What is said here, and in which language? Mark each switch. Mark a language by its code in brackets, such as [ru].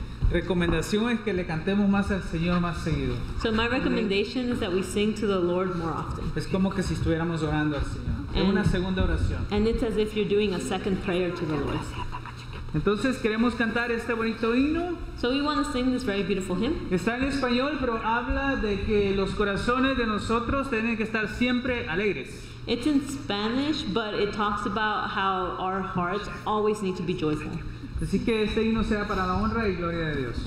[es] Recomendación es que le cantemos más al Señor más seguido. [en] So my recommendation is that we sing to the Lord more often. [es] Es como que si estuviéramos orando al Señor. Es una segunda oración. [en] And it's as if you're doing a second prayer to the Lord. [es] Entonces queremos cantar este bonito himno. [en] So we want to sing this very beautiful hymn. [es] Está en español, pero habla de que los corazones de nosotros tienen que estar siempre alegres. [en] It's in Spanish, but it talks about how our hearts always need to be joyful. [es] Así que este himno sea para la honra y gloria de Dios.